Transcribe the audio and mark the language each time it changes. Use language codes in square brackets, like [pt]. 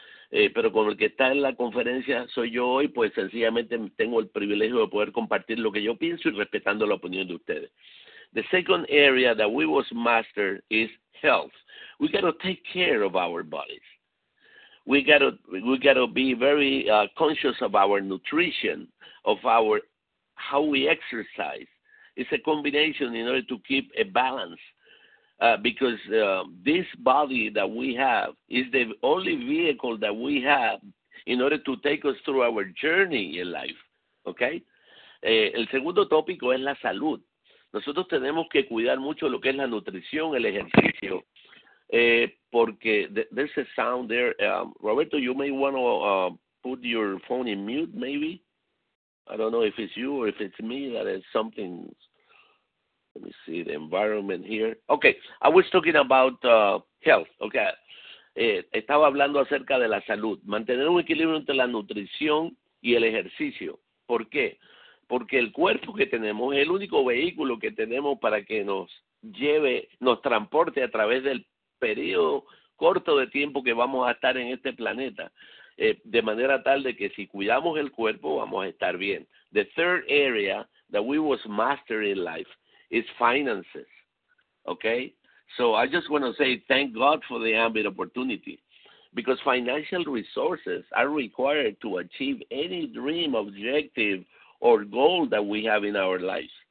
[es] Pero con el que está en la conferencia soy yo hoy, pues sencillamente tengo el privilegio de poder compartir lo que yo pienso y respetando la opinión de ustedes. [en] The second area that we must master is health. We got to take care of our bodies. We gotta be very conscious of our nutrition, of our how we exercise. It's a combination in order to keep a balance, because this body that we have is the only vehicle that we have in order to take us through our journey in life. [es] Okay? El segundo tópico es la salud. Nosotros tenemos que cuidar mucho lo que es la nutrición, el ejercicio. [en] Porque there's a sound there. Roberto, you may want to put your phone in mute, maybe. I don't know if it's you or if it's me that is something. Let me see the environment here. Okay, I was talking about health. [es] Okay, estaba hablando acerca de la salud. Mantener un equilibrio entre la nutrición y el ejercicio. ¿Por qué? Porque el cuerpo que tenemos es el único vehículo que tenemos para que nos transporte a través del periodo corto de tiempo que vamos a estar en este planeta, de manera tal de que si cuidamos el cuerpo vamos a estar bien. [en] The third area that we was master in life is finances. Okay? So I just want to say thank God for the ambit opportunity because financial resources are required to achieve any dream, objective, or goal that we have in our lives.